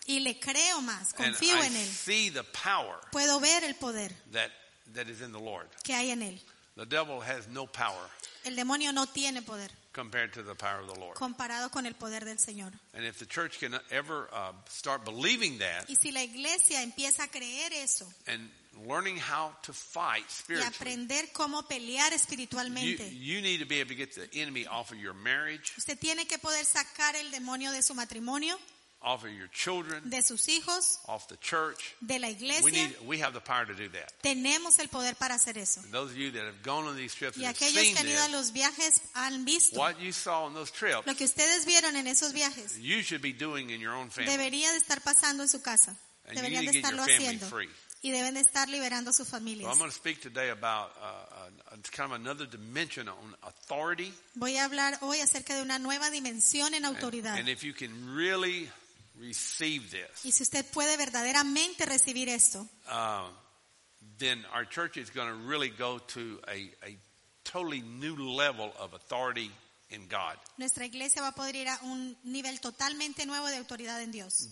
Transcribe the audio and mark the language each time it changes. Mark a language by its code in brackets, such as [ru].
[es] Y le creo más, confío [en] and [es] en Él. [en] See the power [es] puedo ver el poder [en] that is in the Lord. [es] Que hay en Él. [en] The devil has no power. [es] El demonio no tiene poder. [en] Compared to the power of the Lord. [es] Comparado con el poder del Señor. [en] And if the church can ever start believing that. [es] Y si la iglesia empieza a creer eso. [en] And learning how to fight spiritually. [es] Y aprender cómo pelear espiritualmente. [en] You need to be able to get the enemy off of your marriage. [es] Usted tiene que poder sacar el demonio de su matrimonio. [en] Off of your children. [es] De sus hijos. [en] Off the church. [es] De la iglesia. [en] We have the power to do that. [es] Tenemos el poder para hacer eso. [en] And those of you that have gone on these trips [es] y aquellos que han ido a los viajes han visto [en] what you saw on those trips, [es] lo que ustedes vieron en esos viajes [en] you should be doing in your own family. [es] Debería de estar pasando en su casa. [en] And [es] deberían [en] you need [es] de estarlo [en] to get your family [es] haciendo. [en] Free. [es] Y deben de estar liberando a sus familias. [en] So I'm going to speak today about kind of another dimension on authority. [es] Voy a hablar hoy acerca de una nueva dimensión en autoridad. [en] And if you can really receive this. [es] Y si usted puede verdaderamente recibir esto. [en] Then our church is going to really go to a totally new level of authority in God. [es] Nuestra iglesia va a poder ir a un nivel totalmente nuevo de autoridad en Dios.